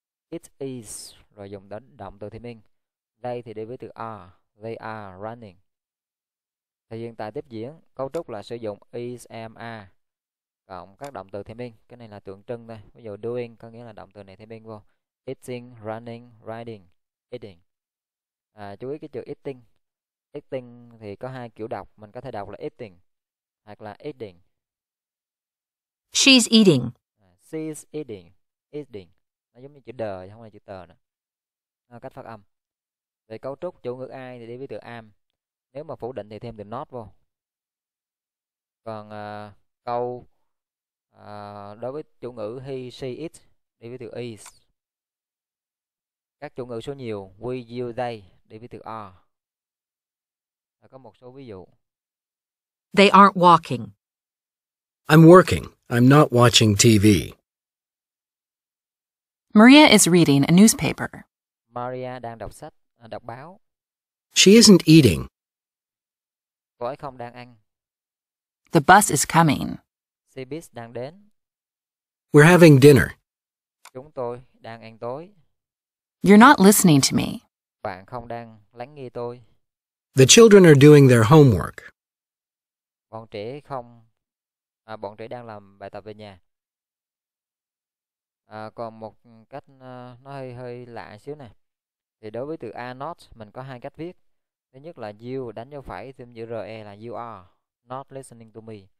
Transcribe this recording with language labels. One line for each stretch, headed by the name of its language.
Vietnamese: It is rồi dùng đến động từ thêm ing. They thì đi với từ are,
English: they are running.
Vietnamese: Thì hiện tại tiếp diễn cấu trúc là sử dụng is, am, are cộng các động từ thêm ing, cái này là tượng trưng thôi. Ví dụ doing có nghĩa là động từ này thêm ing vô.
English: Eating, running, riding, eating.
Vietnamese: À, chú ý cái chữ eating. Eating thì có hai kiểu đọc, mình có thể đọc là eating hoặc là eating.
English: She's eating. She's eating. Eating.
Vietnamese: Nó giống như chữ đờ, không phải chữ tờ nữa. À, cách phát âm. Về cấu trúc, chủ ngữ I thì đi với từ am. Nếu mà phủ định thì thêm từ not vô. Còn câu đối với chủ ngữ he, she, it đi với từ is. Các chủ ngữ số nhiều, we, you, they đi với từ are. Và có một số ví dụ.
English: They aren't walking. I'm working. I'm not watching TV. Maria is reading a newspaper.
Vietnamese: Maria đang đọc sách, đọc báo.
English: She isn't eating.
Vietnamese: Cô ấy không đang ăn.
English: The bus is coming.
Vietnamese: Xe buýt đang đến.
English: We're having dinner.
Vietnamese: Chúng tôi đang ăn tối.
English: You're not listening to me.
Vietnamese: Bạn không đang lắng nghe tôi.
English: The children are doing their homework.
Vietnamese: Bọn trẻ không à, bọn trẻ đang làm bài tập về nhà. À, còn một cách nó hơi lạ xíu nè. Thì đối với từ a not mình có hai cách viết. Thứ nhất là you đánh dấu phẩy thêm chữ re là
English: you are not listening to me.